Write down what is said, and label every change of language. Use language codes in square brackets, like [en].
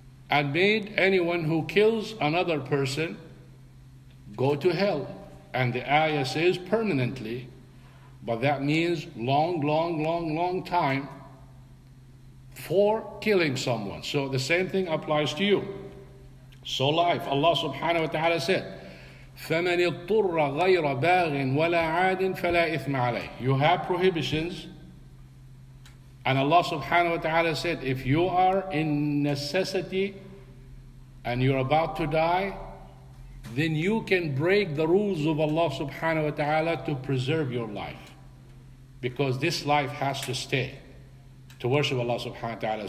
[en] And made anyone who kills another person go to hell. And the ayah says permanently, but that means long, long, long, long time for killing someone. So the same thing applies to you. So life, Allah subhanahu wa ta'ala said, [ar] فَمَنِ اضْطُرَّ غَيْرَ بَاغٍ وَلَا عَادٍ فَلَا إِثْمَ عَلَيْهِ. [en] You have prohibitions. And Allah subhanahu wa ta'ala said, if you are in necessity and you're about to die, then you can break the rules of Allah subhanahu wa ta'ala to preserve your life. Because this life has to stay to worship Allah subhanahu wa ta'ala.